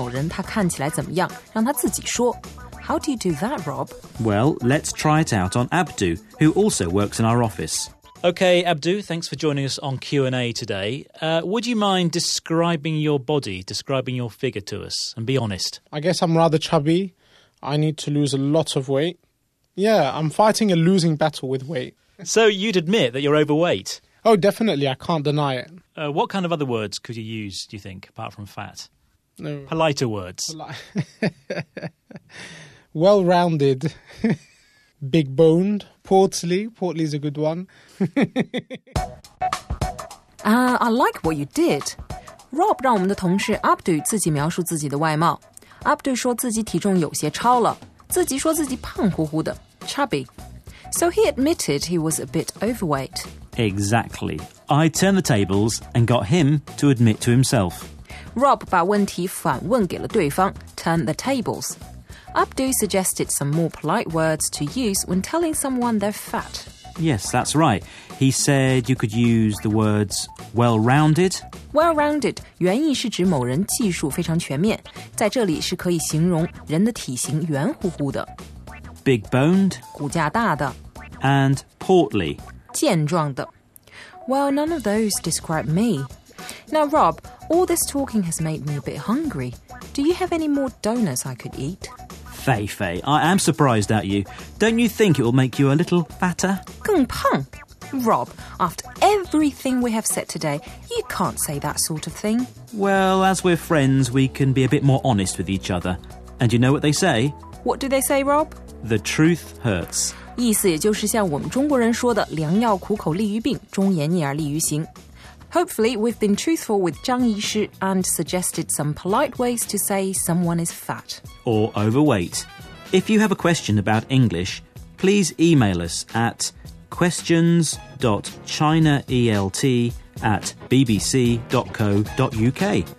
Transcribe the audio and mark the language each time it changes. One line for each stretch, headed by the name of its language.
Chinese: 还有一个方法就是不要告诉某人他看起来怎么样,让他自己说。
English: How do you do that, Rob? Well, let's try it out on Abdu, who also works in our office. Okay, Abdu, thanks for joining us on Q&A today. Would you mind describing your body, describing your figure to us, and be honest? I guess I'm rather chubby. I need to lose a lot of weight. Yeah, I'm fighting a losing battle with weight. So you'd admit that you're overweight? Oh, definitely. I can't deny it. What kind of other words could you use, do you think, apart from fat? No. Politer words. Well-rounded. Big-boned. Portly. Portly is a good one. I like what you did.
Chinese: Rob 让我们的同事 Abdu 自己描述自己的外貌。Abdu 说自己体重有些超了，自己说自己胖乎乎的， chubby.
English: So he admitted he was a bit overweight. Exactly. I turned the tables and got him to admit to himself.
Chinese: Rob 把问题反问给了对方，
English: turn the tables. Abdu suggested some more polite words to use when telling someone they're fat. Yes, that's right. He said you could use the words well-rounded.
Chinese: Well-rounded 原意是指某人技术非常全面，在这里是可以形容人的体型圆乎乎的。
English: Big-boned
Chinese: 骨架大的。
English: And portly
Chinese: 健壮的。
English: Well, none of those describe me. Now, Rob, all this talking has made me a bit hungry. Do you have any more donuts I could eat? Fei-Fei, I am surprised at you. Don't you think it will make you a little fatter?
Chinese: 更胖?
English: Rob, after everything we have said today, you can't say that sort of thing. Well, as we're friends, we can be a bit more honest with each other. And you know what they say? What do they say, Rob? The truth hurts.
Chinese: 意思也就是像我们中国人说的，良药苦口利于病，忠言逆耳利于行。
English: Hopefully, we've been truthful with Zhang Yishi and suggested some polite ways to say someone is fat. Or overweight. If you have a question about English, please email us at questions.chinaelt@bbc.co.uk.